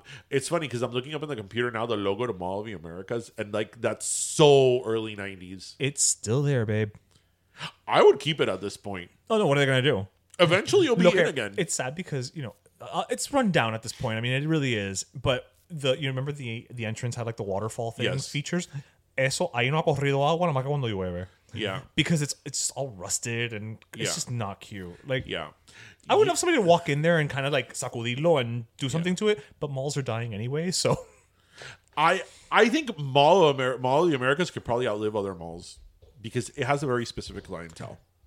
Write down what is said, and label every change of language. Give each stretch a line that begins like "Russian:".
English: It's funny because I'm looking up on the computer now, the logo to Mall of the Americas, and like that's so early 90s. It's still there, babe. I would keep it at this point. Oh, no. What are they going to do? Eventually, it'll be in again. It's sad because, you know, it's run down at this point. I mean, it really is. But... you remember the entrance had like the waterfall things features?
Spanish: Eso ahí no ha corrido agua más que cuando llueve.
English: Yeah. Because it's all rusted and it's just not cute. Like I would love somebody to walk in there and kind of like
Spanish: sacudirlo
English: and do something to it, but malls are dying anyway, so I think Mall of the Americas could probably outlive other malls because it has a very specific clientele.